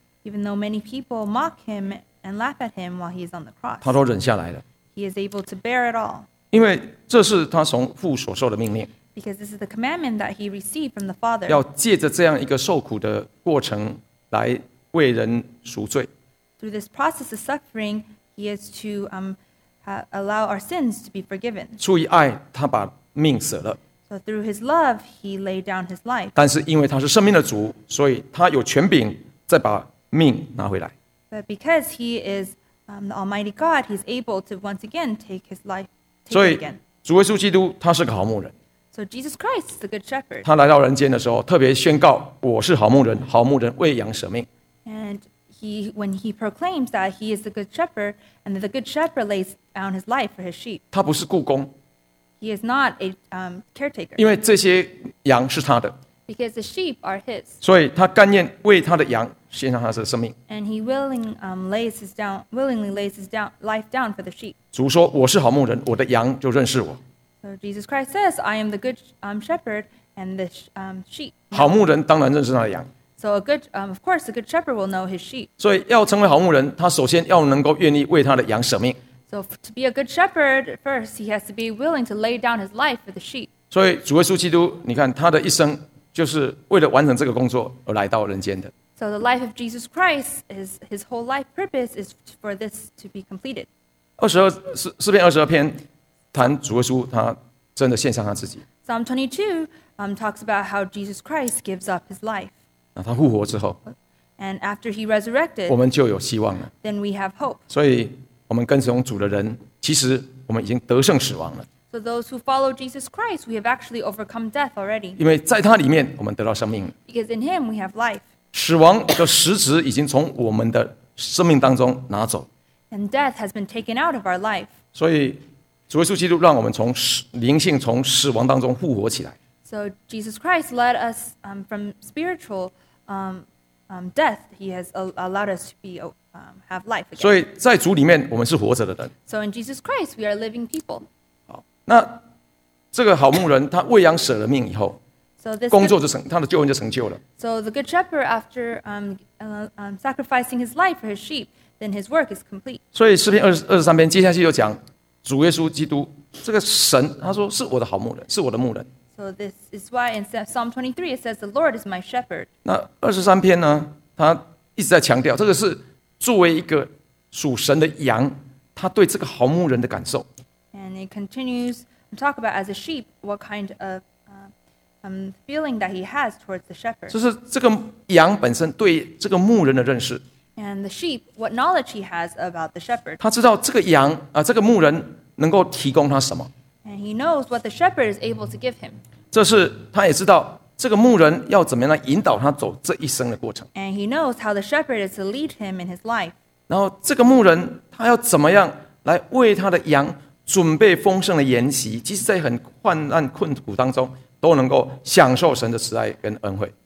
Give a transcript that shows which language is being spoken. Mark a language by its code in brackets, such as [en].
[en] Even though many people mock him and laugh at him while he is on the cross, [zh] 他都忍下来了。 [en] He is able to bear it all. [zh] 因为这是他从父所受的命令。 [en] Because this is the commandment that he received from the Father. [zh] 要借着这样一个受苦的过程来为人赎罪。 [en] Through this process of suffering, he is to allow our sins to be forgiven. [zh] 出于爱，他把命舍了。 [en] So through his love, he laid down his life. [zh] 但是因为他是生命的主，所以他有权柄再把命拿回来。 [en] But because he is the Almighty God, he's able to once again take his life. Take [zh] 所以主耶稣基督他是个好牧人。 [en] So Jesus Christ is the good shepherd. [zh] 他来到人间的时候，特别宣告我是好牧人，好牧人为羊舍命。 [en] And when he proclaims that he is the good shepherd, and that the good shepherd lays down his life for his sheep. [zh] 他不是雇工。 [en] He is not a caretaker. [zh] 因为这些羊是他的。 [en] Because the sheep are his. [zh] 所以他甘愿为他的羊献上他的生命。 [en] And he willingly lays his life down for the sheep. [zh] 主说我是好牧人，我的羊就认识我。 [en] So Jesus Christ says, I am the good shepherd and the sheep. [zh] 好牧人当然认识他的羊。 [en] So a good, of course, a good shepherd will know his sheep. [zh] 所以要成为好牧人，他首先要能够愿意为他的羊舍命。 [en] So to be a good shepherd, first he has to be willing to lay down his life for the sheep. [zh] 所以主耶稣基督，你看他的一生就是为了完成这个工作而来到人间的。 [en] So the life of Jesus Christ is his whole life purpose is for this to be completed. [zh] 22:22谈主耶稣，他真的献上他自己。 [en] Psalm 22 talks about how Jesus Christ gives up his life. [zh] 那他复活之后 [en] ，and after he resurrected， [zh] 我们就有希望了。 [en] Then we have hope. [zh] 所以，我们跟从主的人，其实我们已经得胜死亡了。 [en] So those who follow Jesus Christ, we have actually overcome death already. [zh] 因为在他里面，我们得到生命了。 [en] Because in him we have life. [zh] 死亡的实质已经从我们的生命当中拿走。 [en] And death has been taken out of our life. [zh] 所以。主耶稣基督让我们从灵性从死亡当中复活起来。 [en] So Jesus Christ led us from spiritual death. He has allowed us to be have life again. [zh] 所以在主里面，我们是活着的人。 [en] So in Jesus Christ, we are living people. [zh] 好，那这个好牧人他为羊舍了命以后，工作就成，他的救恩就成就了。 [en] So the good shepherd after sacrificing his life for his sheep, then his work is complete. [zh] 所以诗篇23篇接下去就讲。主耶稣基督，这个神，他说是我的好牧人，是我的牧人。 [en] So this is why in Psalm 23 it says the Lord is my shepherd. [zh] 那23篇呢，他一直在强调，这个是作为一个属神的羊，他对这个好牧人的感受。 [en] And it continues to talk about as a sheep what kind of feeling that he has towards the shepherd. [zh] 就是这个羊本身对这个牧人的认识。 [en] And the sheep, what knowledge he has about the shepherd. [zh] 他知道这个羊啊，这个牧人能够提供他什么。 [en] And he knows what the shepherd is able to give him. [zh] 这是他也知道这个牧人要怎么样来引导他走这一生的过程。 [en] And he knows how the shepherd is to lead him in his life. [zh] 然后这个牧人他要怎么样来为他的羊准备丰盛的筵席，即使在很患难困苦当中，都能够享受神的慈爱跟恩惠。